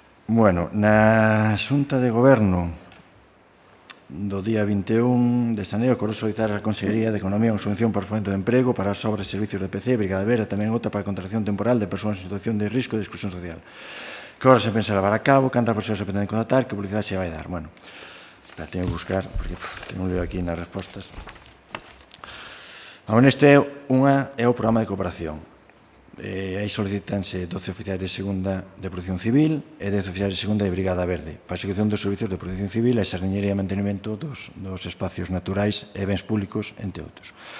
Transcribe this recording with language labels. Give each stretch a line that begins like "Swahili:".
Galician: Bueno, na xunta de goberno do día 21 de xaneiro, acordou solicitar a Consellería de Economía unha subvención para fomento de emprego para as obras e servicios de PC, Brigada Vera, tamén outra para a contratación temporal de persoas en situación de risco e de exclusión social. Que obra se pensa levar a cabo, cantas persoas se pretenden contratar, que publicidade se vai dar?
Spanish: Bueno, tengo que buscar, porque tengo un lío aquí
Galician: nas respostas. Bueno, este é o programa de cooperación. Aí solicitanse 12 oficiais de segunda de protección civil e 10 oficiais de segunda de brigada verde para a execución dos servicios de protección civil e xardinería e mantenimento dos espacios naturais e bens públicos, entre outros.